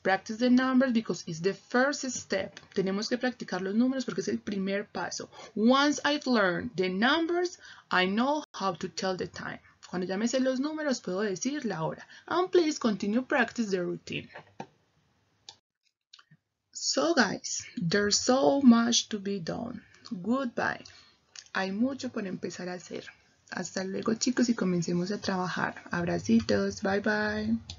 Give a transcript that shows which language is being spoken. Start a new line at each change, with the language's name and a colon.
English: Practice the numbers because it's the first step.
Spanish: Tenemos que practicar los números porque es el primer paso.
English: Once I've learned the numbers, I know how to tell the time.
Spanish: Cuando ya me sé los números, puedo decir la hora.
English: And please continue practice the routine. So guys, there's so much to be done. goodbye.
Spanish: Hay mucho por empezar a hacer. Hasta luego, chicos, y comencemos a trabajar. Abracitos.
English: Bye, bye.